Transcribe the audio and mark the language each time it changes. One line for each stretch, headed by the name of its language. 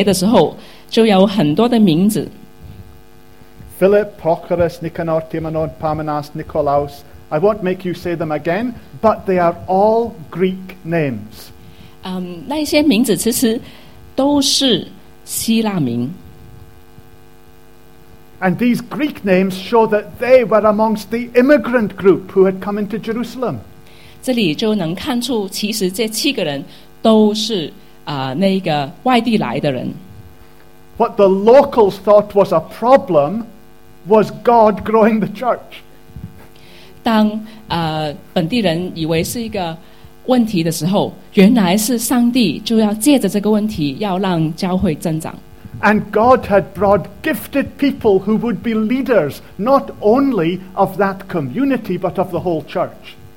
Chinese: 对,就是在这个第五节的时候就有很多的名字。
English: Philip, Prochorus, Nicanor, Timonon, Parmenas, Nicolaus. I won't make you say them again, but they are all Greek names.
Chinese: 那些名字其实都是希腊名。
English: And these Greek names show that they were amongst the immigrant group who had come into Jerusalem.
Chinese: 这里就能看出其实这七个人都是, 那个外地来的人。
English: What the locals thought was a problem was God growing the church.
Chinese: 当, 本地人以为是一个问题的时候, 原来是上帝就要借着这个问题要让教会增长。
English: And God had brought gifted people who would be leaders, not only of that community, but of the whole church.